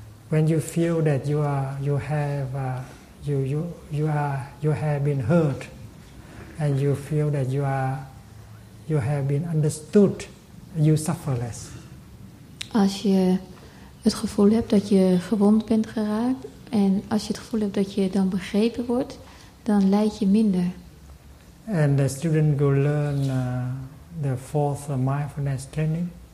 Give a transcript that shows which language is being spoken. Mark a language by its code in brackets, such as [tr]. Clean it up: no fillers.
[en] when you feel that you have been hurt, and you feel that you have been understood, you suffer less. [nl] Als je het gevoel hebt dat je gewond bent geraakt, en als je het gevoel hebt dat je dan begrepen wordt, dan lijd je minder. [en] And the student will learn the fourth mindfulness training.